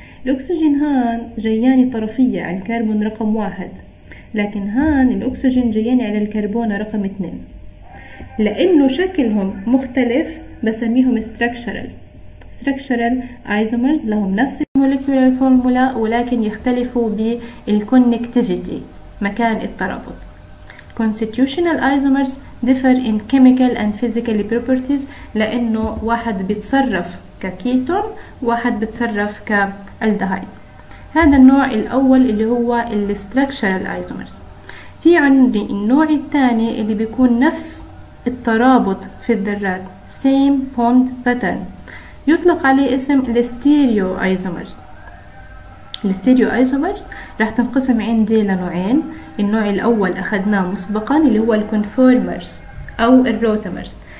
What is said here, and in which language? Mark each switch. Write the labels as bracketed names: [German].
[Arabic] الأكسجين هان جياني طرفية على الكربون رقم واحد، لكن هان الأكسجين جياني على الكربون رقم اثنين. لأنه شكلهم مختلف بسميهم structural. structural isomers لهم نفس المولكولار فورمولا ولكن يختلفوا بالconnectivity، مكان الترابط. [English] constitutional isomers differ in chemical and physical properties [Arabic] لأنه واحد بيتصرف ككيتون واحد بتصرف كالدهايد. هذا النوع الأول اللي هو الستركشرال ايزومرز. في عندي النوع الثاني اللي بيكون نفس الترابط في الذرات، [English] same bond pattern، [Arabic] يطلق عليه اسم الستيريو ايزومرز. الستيريو ايزومرز راح تنقسم عندي لنوعين. النوع الأول أخذناه مسبقا اللي هو الكونفورمرز أو الروتامرز.